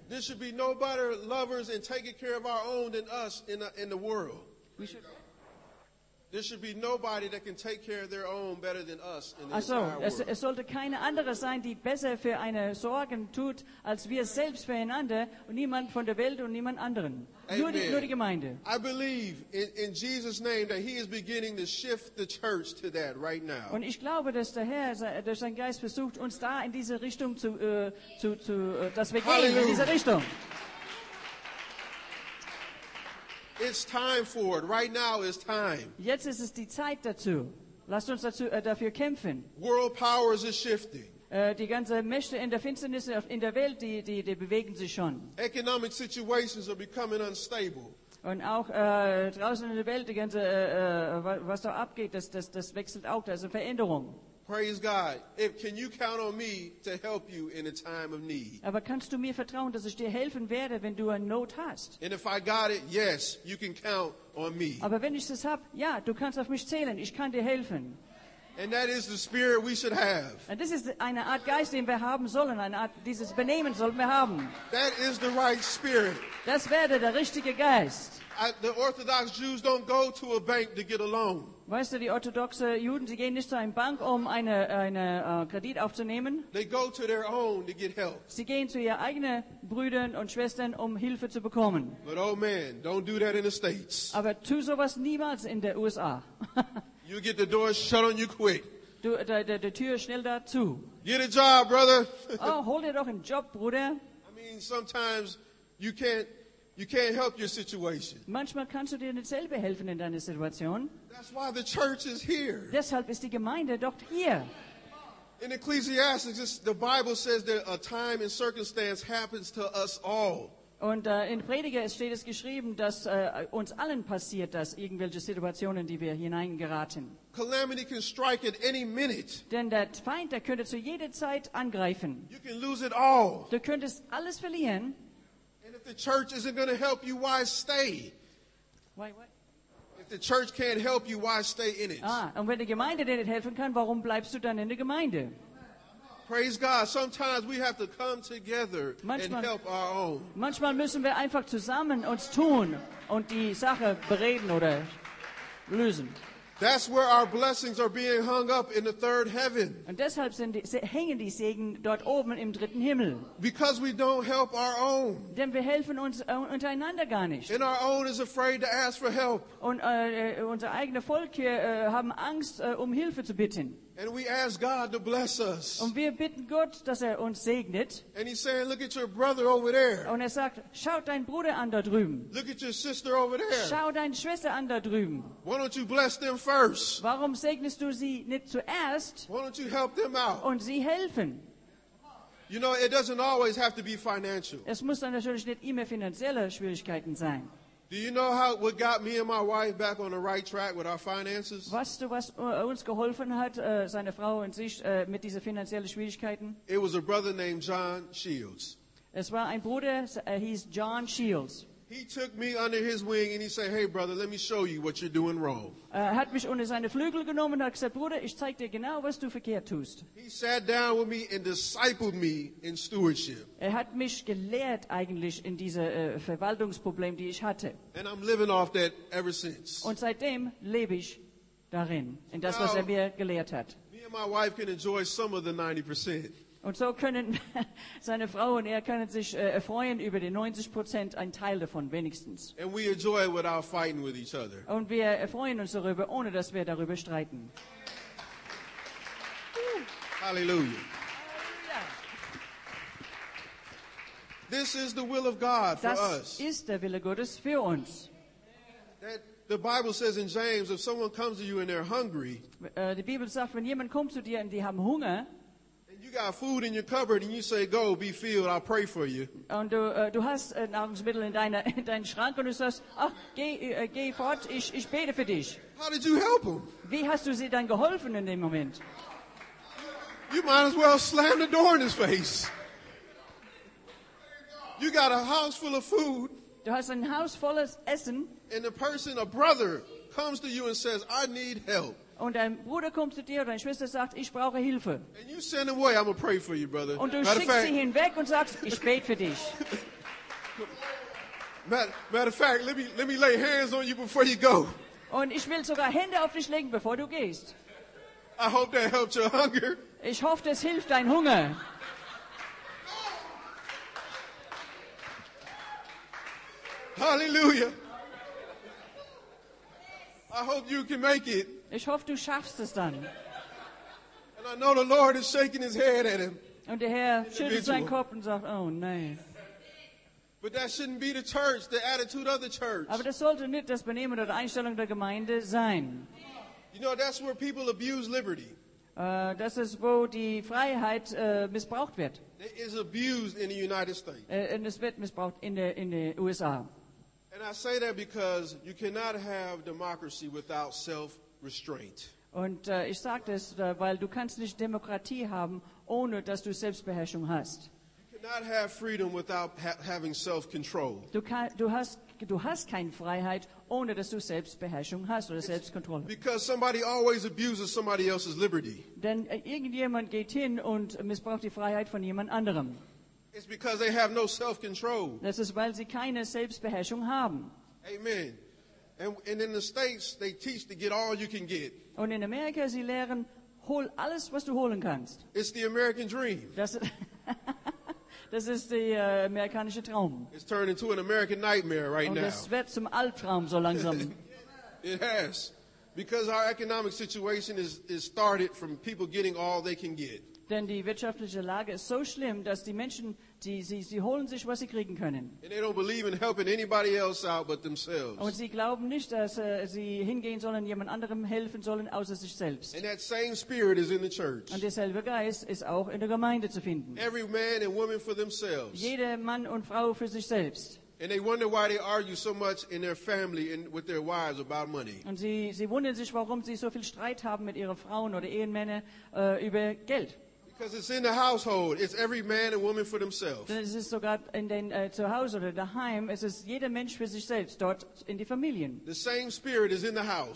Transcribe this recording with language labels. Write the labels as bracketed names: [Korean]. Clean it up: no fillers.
[English] There should be no better lovers and taking care of our own than us in the world. There should be nobody that can take care of their own better than us in the world. [German] Also, es sollte keine andere sein, die besser für eine sorgen tut als wir selbst füreinander und niemand von der Welt und niemand anderen. Nur die Gemeinde. [English] I believe in Jesus' name that He is beginning to shift the church to that right now. [German] Und ich glaube, dass der Herr durch seinen Geist versucht uns da in diese Richtung dass wir gehen in diese Richtung. [English] It's time for it. Right now is time. [German] Jetzt ist es die Zeit dazu. Lasst uns dafür kämpfen. [English] World powers are shifting. [German] Die ganze Mächte in der Finsternis in der Welt, die bewegen sich schon. [English] Economic situations are becoming unstable. [German] Und auch draußen in der Welt, die ganze was da abgeht, das wechselt auch, da ist eine Veränderung. [English] Praise God. Can you count on me to help you in a time of need? [German] Aber kannst du mir vertrauen, dass ich dir helfen werde, wenn du eine Not hast? [English] And if I got it, yes, you can count on me. [German] Aber wenn ich das hab, ja, du kannst auf mich zählen. Ich kann dir helfen. [English] And that is the spirit we should have. [German] Und das ist eine Art Geist, den wir haben sollen. Eine Art dieses Benehmen sollten wir haben. [English] That is the right spirit. [German] Das wäre der richtige Geist. [English] The Orthodox Jews don't go to a bank to get a loan. [German] Weißt du, die orthodoxen Juden, sie gehen nicht zu einer Bank, um einen Kredit aufzunehmen. [English] They go to their own to get help. [German] Sie gehen zu ihren eigenen Brüdern und Schwestern, um Hilfe zu bekommen. [English] But oh man, don't do that in the States. [German] Aber tu sowas niemals in den USA. [English] You get the door shut on you quick. [German] Die Tür schnell dazu. [English] Get a job, brother. [German] Oh, hol dir doch einen Job, Bruder. [English] I mean, sometimes you can't help your situation. [German] Manchmal kannst du dir nicht selber helfen in deiner Situation. [English] That's why the church is here. [German] Deshalb ist die Gemeinde doch hier. [English] In Ecclesiastes, the Bible says that a time and circumstance happens to us all. [German] Und in Prediger steht es geschrieben, dass uns allen passiert, dass irgendwelche Situationen, die wir hineingeraten. [English] Calamity can strike at any minute. [German] Denn der Feind, der könnte zu jeder Zeit angreifen. [English] You can lose it all. [German] Du könntest alles verlieren. [English] And if the church isn't going to help you, why stay? Why what? If the church can't help you, why stay in it? [German] Ah, und wenn die Gemeinde dir nicht helfen kann, warum bleibst du dann in der Gemeinde? [English] Praise God. Sometimes we have to come together and help our own. [German] Manchmal müssen wir einfach zusammen uns tun und die Sache bereden oder lösen. [English] That's where our blessings are being hung up in the third heaven. [German] Und deshalb hängen die Segen dort oben im dritten Himmel. [English] Because we don't help our own. [German] Denn wir helfen uns untereinander gar nicht. [English] And our own is afraid to ask for help. [German] Und unser eigenes Volk hier haben Angst, um Hilfe zu bitten. [English] And we ask God to bless us. [German] Und wir bitten Gott, dass er uns segnet. [English] And he's saying, look at your brother over there. [German] Und er sagt, schau deinen Bruder an da drüben. [English] Look at your sister over there. [German] Schau deine Schwester an da drüben. [English] Why don't you bless them first? [German] Warum segnest du sie nicht zuerst? [English] Why don't you help them out? [German] Und sie helfen. [English] You know, it doesn't always have to be financial. [German] Es muss dann natürlich nicht immer finanzielle Schwierigkeiten sein. [English] Do you know how what got me and my wife back on the right track with our finances? [German] Weißt du, was uns geholfen hat, seine Frau und sich mit diesen finanziellen Schwierigkeiten? [English] It was a brother named John Shields. [German] Es war ein Bruder, hieß John Shields. [English] He took me under his wing and he said, "Hey brother, let me show you what you're doing wrong." [German] Hat mich unter seine Flügel genommen und hat gesagt, Bruder, ich zeig dir genau, was du verkehrt tust. [English] He sat down with me and discipled me in stewardship. [German] Hat mich gelehrt eigentlich in diese Verwaltungsproblem, die ich hatte. [English] And I'm living off that ever since. [German] Und seitdem lebe ich darin, in das, was er mir gelehrt hat. [English] Me and my wife can enjoy some of the 90%. [German] Und so können seine Frau und er können sich erfreuen über die 90%, ein Teil davon wenigstens. [English] And we enjoy it without fighting with each other. [German] Und wir erfreuen uns darüber, ohne dass wir darüber streiten. [English] Hallelujah. This is the will of God for [German] das [English] us. [German] Ist der Wille Gottes für uns. [English] That the Bible says in James, if someone comes to you and they're hungry, [German] die Bibel sagt, wenn jemand kommt zu dir und die haben Hunger, [English] you got food in your cupboard and you say, go, be filled, I'll pray for you. [German] Und du hast Nahrungsmittel in deinem Schrank und du sagst, ach, geh fort, ich bete für dich. [English] How did you help him? [German] Wie hast du sie dann geholfen in dem Moment? [English] You might as well slam the door in his face. You got a house full of food. [German] Du hast ein Haus voller Essen. [English] And the person, a brother, comes to you and says, I need help. [German] Und dein Bruder kommt zu dir, deine Schwester sagt, ich brauche Hilfe. [English] And you send him away, I'm gonna pray for you, brother. [German] Und du schickst sie hinweg und sagst, ich bete für dich. [English] Matter of fact, let me lay hands on you before you go. [German] Und ich will sogar Hände auf dich legen, bevor du gehst. [English] I hope that helped your hunger. [German] Ich hoffe, das hilft dein Hunger. [English] Hallelujah. I hope you can make it. [German] Ich hoffe, du schaffst es dann. [English] And I know the Lord is shaking his head at him. [German] Und der Herr schüttelt seinen Kopf und sagt, oh nein. [English] But that shouldn't be the church, the attitude of the church. [German] Aber das sollte nicht das Benehmen oder die Einstellung der Gemeinde sein. [English] You know, that's where people abuse liberty. [German] Das ist, wo die Freiheit missbraucht wird. [English] It is abused in the United States. [German] Und es wird missbraucht in den USA. [English] And I say that because you cannot have democracy without self-restraint. [German] Und ich sage das, weil du kannst nicht Demokratie haben, ohne dass du Selbstbeherrschung hast. [English] You cannot have freedom without having self-control. [German] Du hast keine Freiheit, ohne dass du Selbstbeherrschung hast oder Selbstkontrolle. [English] Because somebody always abuses somebody else's liberty. [German] Denn irgendjemand geht hin und missbraucht die Freiheit von jemand anderem. [English] It's because they have no self-control. [German] Das ist, weil sie keine Selbstbeherrschung haben. [English] Amen. And in the States, they teach to get all you can get. [German] Und in Amerika, sie lehren, hol alles, was du holen kannst. [English] It's the American dream. [German] Das ist der amerikanische Traum. [English] It's turned into an American nightmare right [German] und [English] now. [German] Und das wird zum Albtraum so langsam. [English] It has. Because our economic situation is started from people getting all they can get. [German] Denn die wirtschaftliche Lage ist so schlimm, dass die Menschen, sie holen sich, was sie kriegen können. [English] And they don't believe in helping anybody else out but themselves. [German] Und sie glauben nicht, dass sie hingehen sollen, jemand anderem helfen sollen, außer sich selbst. [English] And that same spirit is in the church. [German] Und derselbe Geist ist auch in der Gemeinde zu finden. [English] Every man and woman for themselves. [German] Jeder Mann und Frau für sich selbst. [English] And they wonder why they argue so much in their family and with their wives about money. [German] Und sie wundern sich, warum sie so viel Streit haben mit ihren Frauen oder Ehemännern über Geld. [English] Because it's in the household. It's every man and woman for themselves. [German] Denn es ist sogar in den Zuhause oder daheim. Es ist jeder Mensch für sich selbst dort in die Familien. [English] The same spirit is in the house.